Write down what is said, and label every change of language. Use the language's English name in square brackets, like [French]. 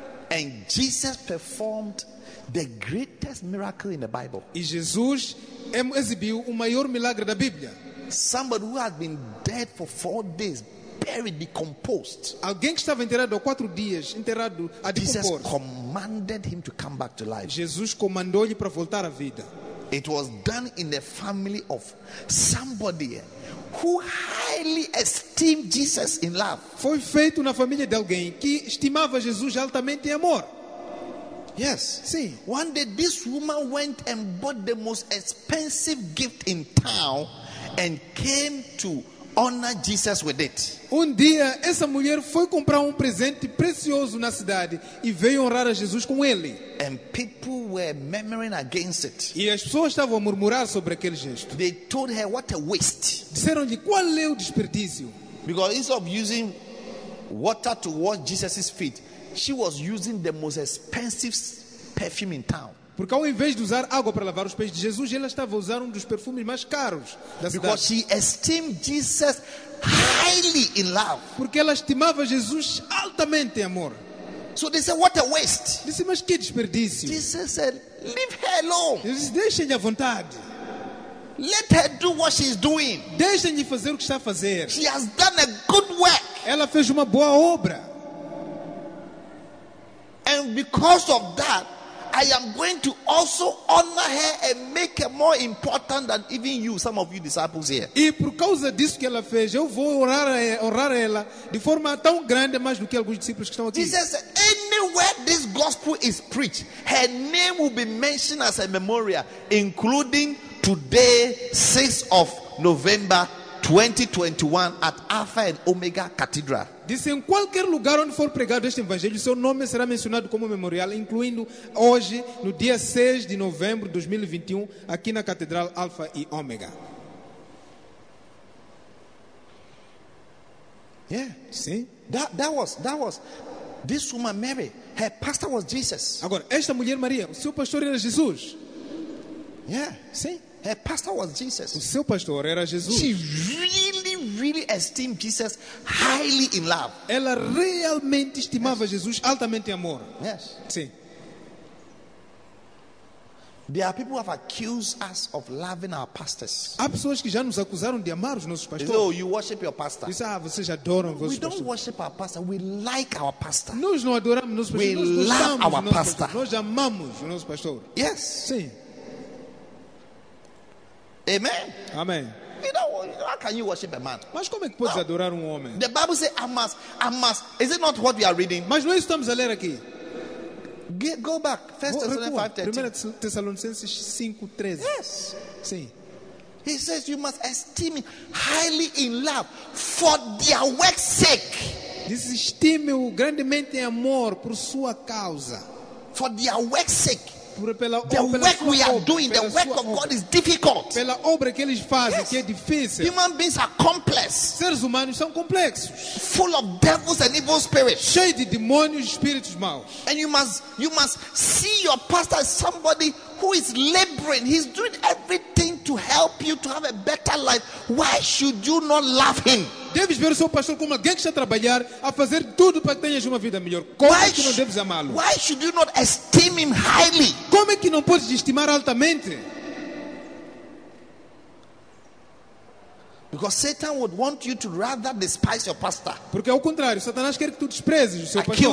[English] And Jesus performed the greatest miracle in the Bible. [Portuguese] E Jesus exibiu o maior milagre da Bíblia. [English] Somebody who had been dead for 4 days, buried, decomposed. [Portuguese] Alguém que estava enterrado há 4 dias, enterrado, a decompor. [English] Jesus commanded him to come back to life. [Portuguese] Jesus comandou-lhe para voltar à vida. [English] It was done in the family of somebody who highly esteemed Jesus in love. [Portuguese] Foi feito na família de alguém que estimava Jesus altamente em amor. [English] Yes. See, one day this woman went and bought the most expensive gift in town and came to honor Jesus with it. [Portuguese] Um dia essa mulher foi comprar presente precioso na cidade e veio honrar a Jesus com ele. [English] And people were murmuring against it. [Portuguese] E as pessoas estavam a murmurar sobre aquele gesto. [English] They told her what a waste. [Portuguese] Disseram-lhe qual é o desperdício. [English] Because instead of using water to wash Jesus' feet, she was using the most expensive perfume in town. [Portuguese] Porque ao invés de usar água para lavar os pés de Jesus, ela estava a usar dos perfumes mais caros da cidade. [English] Because she esteemed Jesus highly in love. [Portuguese] Porque ela estimava Jesus altamente em amor. [English] So they said, what a waste. [Portuguese] Disse, mas que desperdício. [English] Jesus said, leave her alone. [Portuguese] Disse, deixe-lhe à vontade. [English] Let her do what she's doing. [Portuguese] Deixe-lhe fazer o que está a fazer. [English] She has done a good work. [Portuguese] Ela fez uma boa obra. [English] And because of that, I am going to also honor her and make her more important than even you, some of you disciples here. [Portuguese] E por causa disso que ela fez, eu vou honrar ela de forma tão grande, mais do que alguns discípulos que estão aqui. [English] Jesus said, anywhere this gospel is preached, her name will be mentioned as a memorial, including today, 6th of November 2021, at Alpha and Omega Cathedral. [Portuguese] Disse, em qualquer lugar onde for pregado este evangelho, seu nome será mencionado como memorial, incluindo hoje, no dia 6 de novembro de 2021, aqui na Catedral Alfa e Ômega. [English] Yeah. [Portuguese] Sim. [English] That was this woman Mary, her pastor was Jesus. [Portuguese] Agora, esta mulher Maria, o seu pastor era Jesus. [English] Yeah. [Portuguese] Sim. [English] Her pastor was Jesus. [Portuguese] O seu pastor era Jesus. [English] She really esteemed Jesus highly in love. [Portuguese] Ela realmente estimava Jesus altamente em amor. [English] Yes. [Portuguese] Sim. [English] There are people who have accused us of loving our pastors. [Portuguese] Há pessoas que já nos acusaram de amar os nossos pastores. [English] They say, oh, you worship your pastor. [Portuguese] Diz, ah, vocês adoram [English] we don't pastor. Worship our pastor. We like our pastor. [Portuguese] Nós não adoramos nosso pastor. [English] We love our pastor. [Portuguese] Nós amamos o nosso pastor. [English] Yes. [Portuguese] Sim. [English] Amen. [Portuguese] Amen. [English] You know, how can you worship a man? [Portuguese] Mas como é que podes adorar um homem? [English] The Bible says, I must. Is it not what we are reading? [Portuguese] Mas não é isso que estamos a ler aqui. [English] Go back. 1 Thessalonians 5:13. Yes. [Portuguese] Sim. [English] He says you must esteem highly in love for their work's sake. [Portuguese] Diz, estime-o grandemente em amor por sua causa. [English] For their work's sake. [Portuguese] Pela [English] the work we are doing, the work of God is difficult. [Portuguese] Pela obra que eles fazem, yes. Que é difícil. [English] Human beings are complex. [Portuguese] Seres humanos são complexos. [English] Full of devils and evil spirits. [Portuguese] Cheio de demônios e espíritos maus. [English] And you must see your pastor as somebody who is laboring. He's doing everything to help you to have a better life. Why should you not love him? [Portuguese] Deves ver o seu pastor como alguém que está a trabalhar a fazer tudo para que tenhas uma vida melhor. Como é que não deves amá-lo? [English] Why should you not esteem him highly? [Portuguese] Como é que não podes estimar altamente? [English] Because Satan would want you to rather despise your pastor. [Portuguese] Porque ao contrário, Satanás quer que tu desprezes o seu pastor.